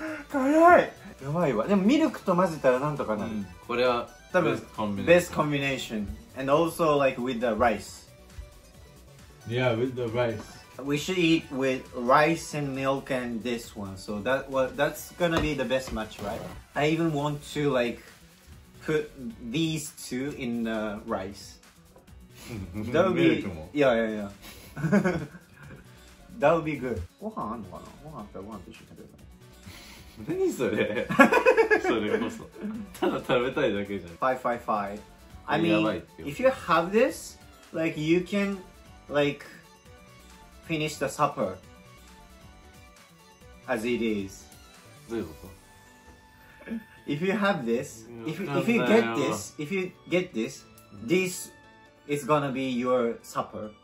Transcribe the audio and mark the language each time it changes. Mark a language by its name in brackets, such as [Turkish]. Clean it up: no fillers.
[Japanese] 辛いやばいわでもミルクと混ぜたらなんとかなる、うん、これは多分 [English] best combination. best combination And also like with the rice Yeah with the rice We should eat with rice and milk and this one. So that, well, that's gonna be the best match, right? I even want to like put these two in the rice. That would be... Yeah, yeah, yeah. that would be good. [Japanese] ご飯あんのかな? ご飯あったらご飯と一緒に食べる。何それ? [English] それこそ。 [Japanese] ただ食べたいだけじゃん。 [English] 555. I mean, if you have this, like you can like... Finish the supper as it is. If you have this, if you get this, this is gonna be your supper.